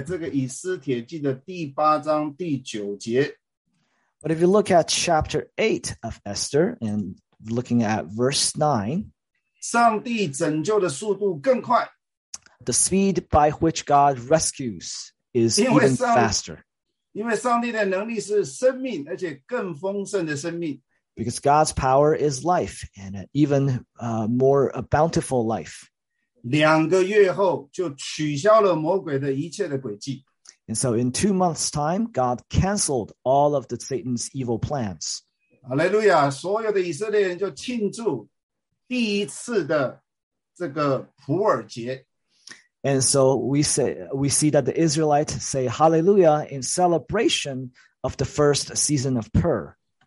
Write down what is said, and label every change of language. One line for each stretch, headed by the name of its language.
Chinese: 可是如果你请看以斯帖记的第八章第九节,
English: But if you look at chapter 8 of Esther and looking at verse 9,
Chinese: 上帝拯救的速度更快,
English: the speed by which God rescues is even faster.
Chinese: 因为上帝的能力是生命,
English: because God's power is life and an even more bountiful life.
Chinese: 2个月后就取消了魔鬼的一切的诡计。
English: And so in 2 months' time, God canceled all of Satan's evil plans. Hallelujah!
Chinese: 所有的以色列人就庆祝第一次的这个普尔节。
English: And so we see that the Israelites say hallelujah in celebration of the first season of Pur.